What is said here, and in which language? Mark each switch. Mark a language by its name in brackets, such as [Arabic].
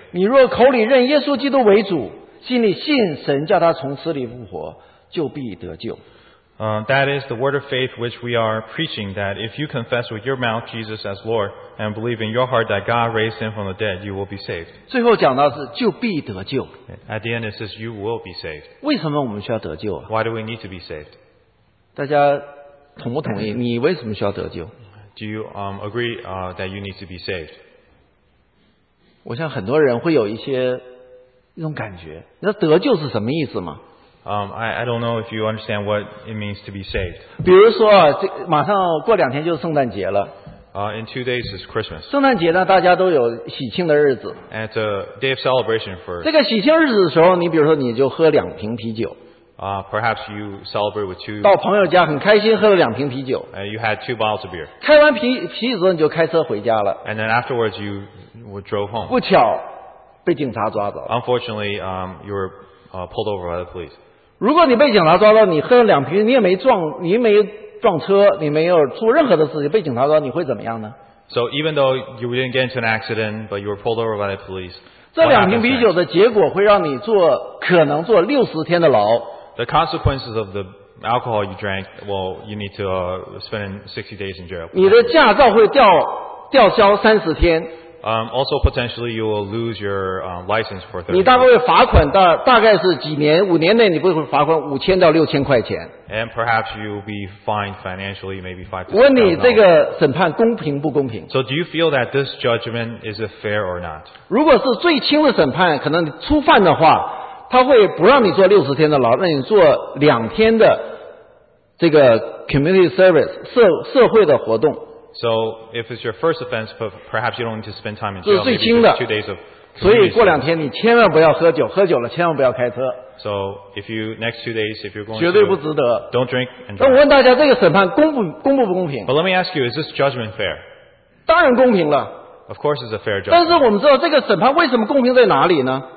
[Chinese] 你若口里认耶稣基督为主，心里信神叫他从死里复活，就必得救。 [English] That is the word of faith which we are preaching, that if you confess with your mouth Jesus as Lord and believe in your heart that God raised him from the dead, you will be saved. [Chinese] 最后讲到是就必得救。 [English] At the end it says you will be saved. [Chinese] 为什么我们需要得救？ [English] Why do we need to be saved? [Chinese] 大家同不同意？你为什么需要得救？ [English] Do you agree that you need to be saved? [Chinese] 我想很多人会有一种感觉，那得救是什么意思吗？ [English] I don't know if you understand what it means to be saved. [Chinese] 比如说啊，这马上过两天就是圣诞节了。 [English] In 2 days is Christmas. [Chinese] 圣诞节呢，大家都有喜庆的日子。 [English] And it's a day of celebration for. [Chinese] 这个喜庆日子的时候，你比如说你就喝两瓶啤酒。 [English] Perhaps you celebrate with two. [Chinese] 到朋友家很开心，喝了两瓶啤酒。 [English] And you had 2 bottles of beer. [Chinese] 开完啤酒之后，你就开车回家了。 [English] And then afterwards you drove home. [Chinese] 不巧被警察抓走。 [English] Unfortunately, you were pulled over by the police. [Chinese] 如果你被警察抓到，你喝了两瓶，你没撞车，你没有出任何的事情，被警察抓到，你会怎么样呢 [English] ？So even though you didn't get into an accident, but you were pulled over by the police. [Chinese] 这两瓶啤酒的结果会让你可能坐60天的牢。 [English] The consequences of the alcohol you drank, well, you need to spend 60 days in jail. [Chinese] 你的驾照会吊销30天。 [English] also potentially you will lose your license for 30 years. [Chinese] 你大概罚款大大概是几年五年内你不会罚款五千到六千块钱。 [English] And perhaps you will be fined financially maybe $5,000. [Chinese] 问你这个审判公平不公平。 [English] So do you feel that this judgment is fair or not? [Chinese] 如果是最轻的审判可能你初犯的话他会不让你做六十天的牢让你做两天的这个 [English] community service, [Chinese] 社会的活动。 [English] So, if it's your first offense, perhaps you don't need to spend time in jail. [Chinese] 这是最轻的。 [English] two days of [Chinese] 所以过两天你千万不要喝酒，喝酒了千万不要开车。 [English] So, if you next two days, if you're going, [Chinese] 绝对不值得。 [English] Don't drink and drive. [Chinese] 那我问大家，这个审判公不公平 [English] ？But let me ask you, is this judgment fair? [Chinese] 当然公平了。 [English] Of course, it's a fair judgment. [Chinese] 但是我们知道这个审判为什么公平在哪里呢